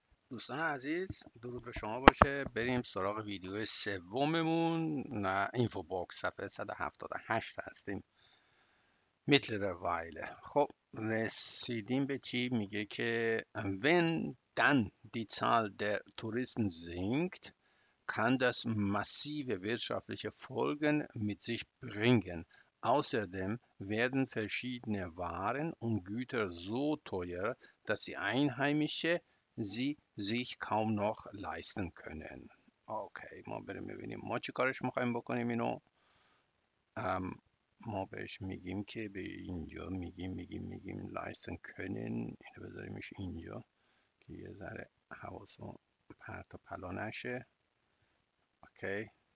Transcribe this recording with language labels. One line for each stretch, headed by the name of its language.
Persian: دوستان عزیز، درود به شما باشه. بریم سراغ ویدیو سوممون. نه اینفو باکس صفحه 178 هستیم. میتلر وایله. خب رسیدیم به چی؟ میگه که
German: When dann die Zahl der Touristen sinkt, kann das massive wirtschaftliche Folgen mit sich bringen. Außerdem werden verschiedene Waren und Güter so teuer, dass die Einheimische sie sich kaum noch leisten können.
Persian: Okay, ما بریم ببینیم ما چی کارش میخوایم بکنیم اینو. ما بهش میگیم که به اینجا میگیم
German: leisten können.
Persian: اینو بذاریمش اینجا که یه ذره حواسو پرت و پلا نشه. اوکی.